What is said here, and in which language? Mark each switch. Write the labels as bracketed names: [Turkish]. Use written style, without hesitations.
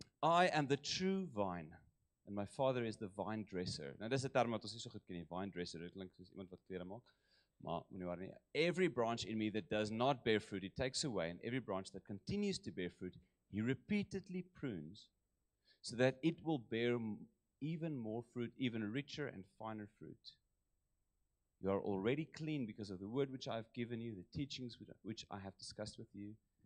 [English] I am the true vine and my Father is the vine dresser. [Afrikaans] Nou dis 'n term wat ons nie so goed ken nie, vine dresser, dit klink soos iemand wat klere maak. Maar moenie waar nie. [English] Every branch in me that does not bear fruit, he takes away, and every branch that continues to bear fruit, he repeatedly prunes so that it will bear even more fruit, even richer and finer fruit. You are already clean because of the word which I have given you, the teachings which I have discussed with you.